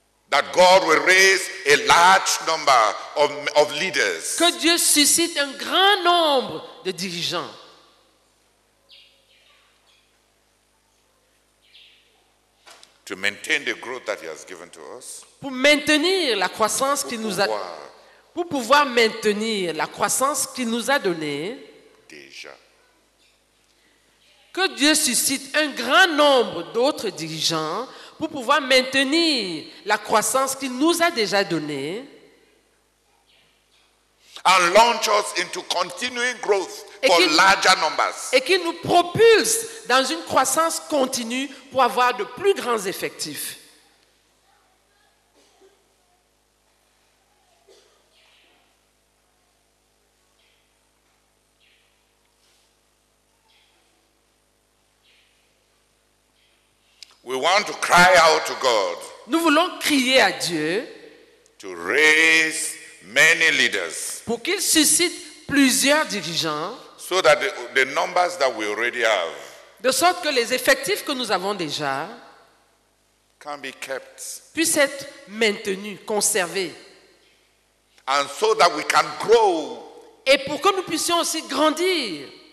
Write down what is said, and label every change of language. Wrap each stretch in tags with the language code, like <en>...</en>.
<en>That God will raise a large number of leaders.</en> <fr>Que Dieu suscite un grand nombre de dirigeants.</fr> <en>To maintain the growth that He has given to us.</en> <fr>Pour maintenir la croissance qu'il nous a. Pour pouvoir maintenir la croissance qu'il nous a donnée. Déjà. Que Dieu suscite un grand nombre d'autres dirigeants. Pour pouvoir maintenir la croissance qu'il nous a déjà donnée.</fr> <en>And launch us into continuing growth for larger numbers.</en> <fr>Et qu'il nous propulse dans une croissance continue pour avoir de plus grands effectifs.</fr> <en>We want to cry out to God.</en> <fr>Nous voulons crier à Dieu.</fr> <en>To raise many leaders.</en> <fr>Pour qu'il suscite plusieurs dirigeants.</fr> <en>So that the numbers that we already have.</en> <fr>De sorte que les effectifs que nous avons déjà.</fr> <en>Can be kept.</en> <fr>Puissent être maintenus, conservés.</fr> <en>And so that we can grow.</en> <fr>Et pour que nous puissions aussi grandir.</fr>